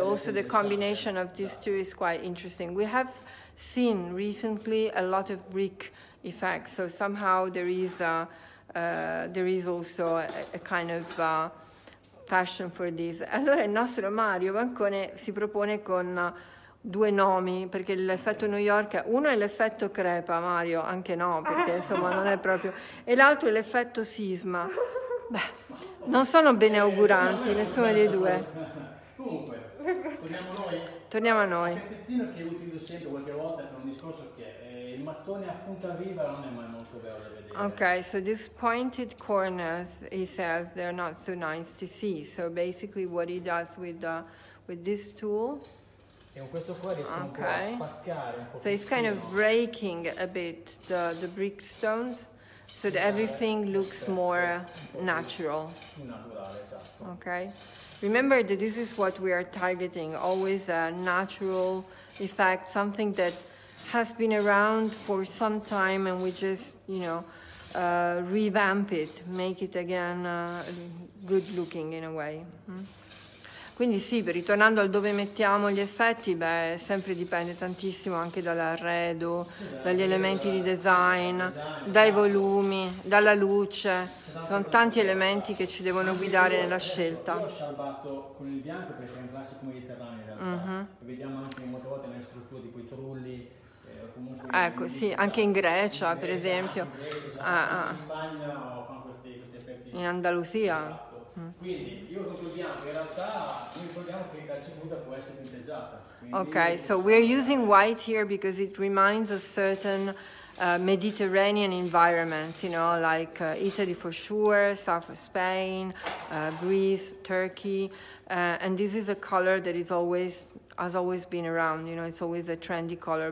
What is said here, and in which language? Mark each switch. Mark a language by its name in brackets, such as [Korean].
[English] Also the combination of these two is quite interesting. We have seen recently a lot of brick effects, so somehow there is also a kind of fashion for this. [Italian] Allora il nostro Mario Bancone si propone con due nomi, perché l'effetto New York, uno è l'effetto crepa, Mario, anche no, perché insomma non è proprio, e l'altro è l'effetto sisma. Beh, non sono bene auguranti, nessuno dei due. Comunque, torniamo a noi. Torniamo a noi. Il pezzettino che utilizzo sempre qualche volta per un discorso che è il mattone a punta viva non è mai molto bello da vedere. [English] Ok, so these pointed corners, he says, they're not so nice to see. So basically what he does with this tool, [Italian] E con questo qua riesco un po' a spaccare un po'. [English] So it's kind of breaking a bit the brick stones, so that everything looks more natural. Okay. Remember that this is what we are targeting, always a natural effect, something that has been around for some time and we just, you know, revamp it, make it again good looking in a way. [Italian] Quindi sì, ritornando al dove mettiamo gli effetti, beh, sempre dipende tantissimo anche dall'arredo, dagli elementi di design, dai volumi, dalla luce. Sono tanti elementi che ci devono guidare nella scelta. Io ho sciarbato con il bianco perché è un classico mediterraneo in realtà. Uh-huh. Vediamo anche molte volte nelle strutture di quei trulli. Ecco, sì, anche in Grecia, per esempio. In Spagna fanno questi effetti. In Andalusia. Quindi io con quel bianco in realtà noi ricordiamo che la calcicuta può essere tinteggiata. Quindi, [English] okay, so we're using white here because it reminds a certain Mediterranean environment, you know, like Italy for sure, south of Spain, Greece, Turkey, and this is a color that is always has always been around, you know, it's always a trendy color.